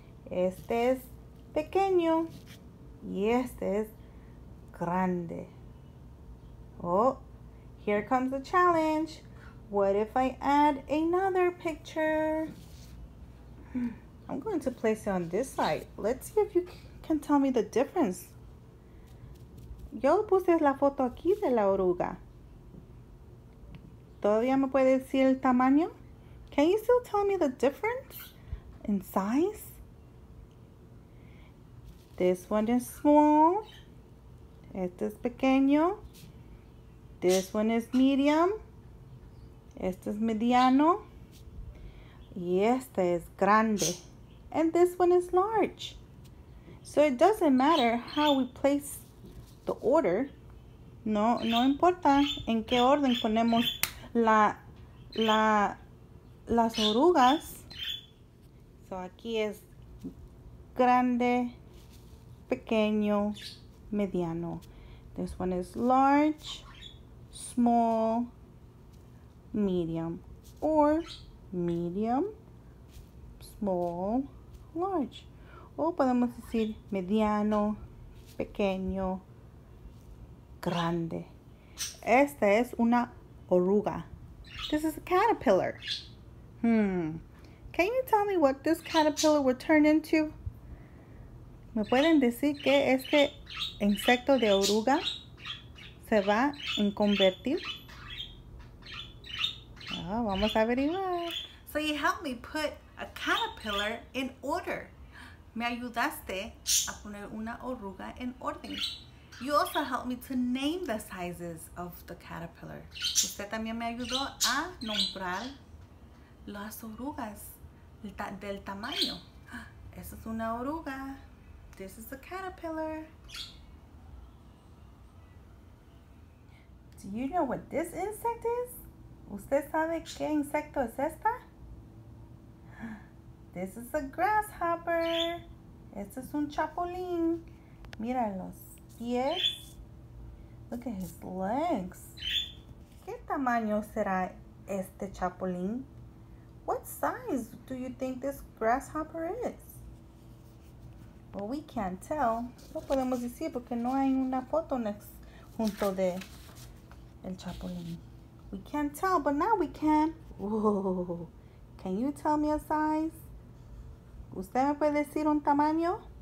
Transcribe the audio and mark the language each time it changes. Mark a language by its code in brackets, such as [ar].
[es] Este es pequeño, y este es grande. [en] Oh, here comes the challenge. What if I add another picture? I'm going to place it on this side. Let's see if you can tell me the difference. [es] Yo puse la foto aquí de la oruga. ¿Todavía me puede decir el tamaño? [en] Can you still tell me the difference in size? This one is small. [es] Este es pequeño. [en] This one is medium. [es] Este es mediano. Y este es grande. [en] And this one is large. So it doesn't matter how we place the order. [es] No, no importa en qué orden ponemos las orugas. So aquí es grande, pequeño, mediano. [en] This one is large, small, medium, or medium, small, large. [es] O podemos decir mediano, pequeño, grande. Esta es una oruga. [en] This is a caterpillar. Can you tell me what this caterpillar would turn into? [es] ¿Me pueden decir qué este insecto de oruga se va en convertir? Oh, vamos a averiguar. [en] So you helped me put a caterpillar in order. [es] Me ayudaste a poner una oruga en orden. [en] You also helped me to name the sizes of the caterpillar. [es] Usted también me ayudó a nombrar las orugas del tamaño. Esa es una oruga. [en] This is a caterpillar. Do you know what this insect is? [es] ¿Usted sabe qué insecto es esta? [en] This is a grasshopper. [es] Este es un chapulín. Mira los pies. [en] Look at his legs. [es] ¿Qué tamaño será este chapulín? [en] What size do you think this grasshopper is? Well, we can't tell. [es] No podemos decir porque no hay una foto next junto de el chapulín. [en] We can't tell, but now we can. Whoa. Can you tell me a size? [es] ¿Usted me puede decir un tamaño?